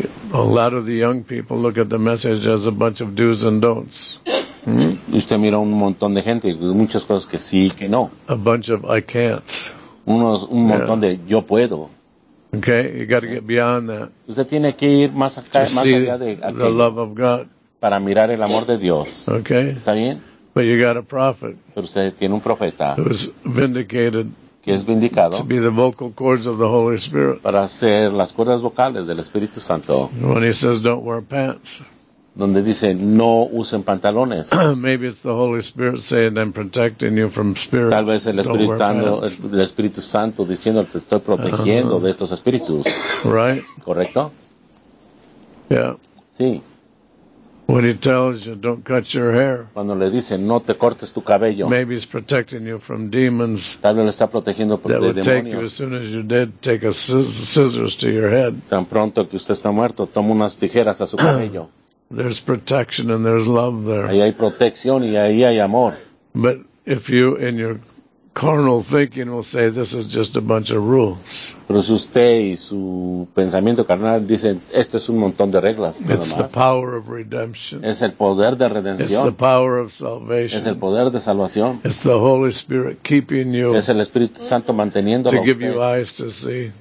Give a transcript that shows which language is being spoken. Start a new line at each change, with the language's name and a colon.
English: A lot of the young people look at the message as a bunch of do's and don'ts.
Spanish: Y usted mira un montón de gente, muchas cosas que sí y que no.
English: A bunch of I can't.
Spanish: Un montón de yo puedo.
English: Okay, you got to get beyond that.
Spanish: Usted tiene que ir más acá, más allá de aquí.
English: The love of God.
Spanish: Para mirar el amor de Dios.
English: Okay.
Spanish: ¿Está bien?
English: But you got a prophet.
Spanish: Pero usted tiene un profeta.
English: Who's vindicated.
Spanish: Que es vindicado.
English: To be the vocal cords of the Holy Spirit.
Spanish: Para ser las cuerdas vocales del Espíritu Santo.
English: When he says don't wear pants.
Spanish: Donde dice no usen pantalones.
English: Maybe it's the Holy Spirit saying I'm protecting you from spirits.
Spanish: Tal vez el Espíritu Santo diciendo te estoy protegiendo de estos espíritus.
English: Right.
Spanish: Correcto.
English: Yeah.
Spanish: Sí.
English: When he tells you don't cut your hair.
Spanish: Cuando le dice no te cortes tu cabello.
English: Maybe he's protecting you from demons.
Spanish: Tal vez lo está protegiendo de demonios.
English: That would take you as soon as you did take a scissors to your head.
Spanish: Tan pronto que usted está muerto toma unas tijeras a su cabello.
English: There's protection and there's love there.
Spanish: Ahí hay protección y ahí hay amor.
English: But if you, in your carnal thinking, will say this is just a bunch of rules.
Spanish: Pero si usted y su pensamiento carnal dicen esto es un montón de reglas.
English: It's the power of redemption.
Spanish: Es el poder de redención.
English: It's the power of salvation.
Spanish: Es el poder de salvación.
English: It's the Holy Spirit keeping you.
Spanish: Es el Espíritu Santo manteniéndolo.
English: To give you eyes to see.